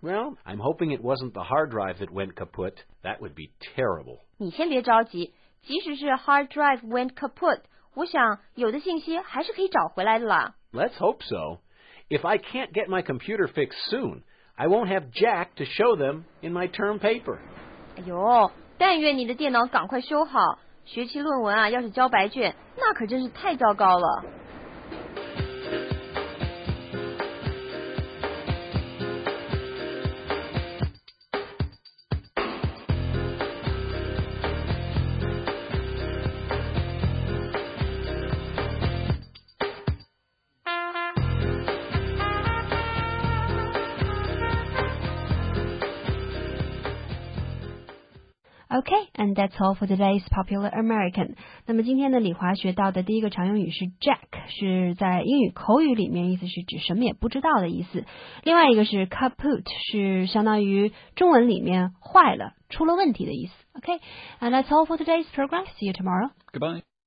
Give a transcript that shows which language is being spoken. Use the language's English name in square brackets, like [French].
[English] ？Well, I'm hoping it wasn't the hard drive that went kaput. That would be terrible. [Chinese] 你先别着急，即使是 [English] hard drive went kaput. [Chinese] 我想有的信息还是可以找回来的啦。 [English] Let's hope so. If I can't get my computer fixed soon, I won't have Jack to show them in my term paper. [Chinese] 哎呦，但愿你的电脑赶快修好。学期论文啊，要是交白卷，那可真是太糟糕了。 [English] Okay, and that's all for today's Popular American. [Chinese] 那么今天的李华学到的第一个常用语是 Jack, 是在英语口语里面意思是指什么也不知道的意思。另外一个是 kaput, 是相当于中文里面坏了、出了问题的意思。 [English] Okay, and that's all for today's program. See you tomorrow. Goodbye.